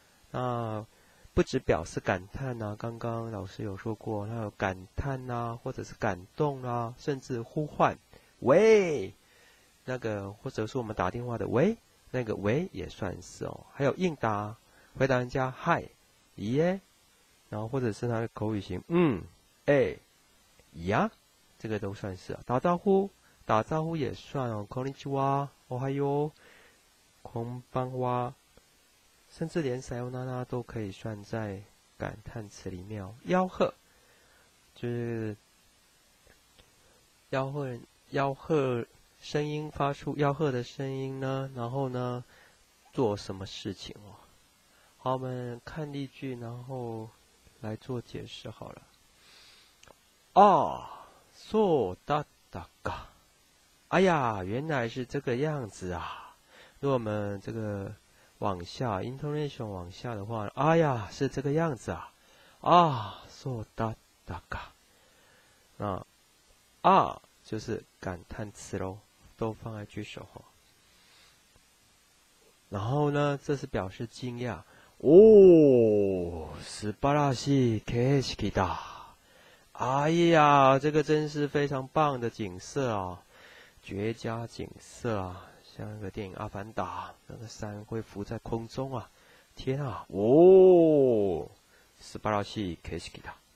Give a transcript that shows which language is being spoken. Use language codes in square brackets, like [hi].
[zh] 那不只表示感叹呐，刚刚老师有说过，它有感叹呐，或者是感动啦，甚至呼唤喂，那个或者是我们打电话的喂，那个喂也算是哦。还有应答，回答人家嗨，耶，然后或者是它的口语型嗯，哎，呀，这个都算是啊，打招呼。打招呼也算哦， [ja] こんにちは、おはよう、こんばんは， [zh] 甚至连さよなら都可以算在感叹词里面哦。吆喝，就是吆喝声音发出，吆喝的声音呢，然后呢，做什么事情哦？好，我们看例句，然后来做解释好了。啊， [ja] そうだったか。 [zh] 哎呀，原来是这个样子啊！如果我们这个往下，intonation 往下的话，哎呀，是这个样子啊！啊， [ja] so da da ga， [zh] 那啊就是感叹词喽，都放在句首哈。然后呢，这是表示惊讶，哦， [ja] 素晴らしい景色だ！ [zh] 哎呀，这个真是非常棒的景色啊！绝佳景色啊，像那个电影《阿凡达》，那个山会浮在空中啊！天啊， [ja] 哦，素晴らしい景色だ。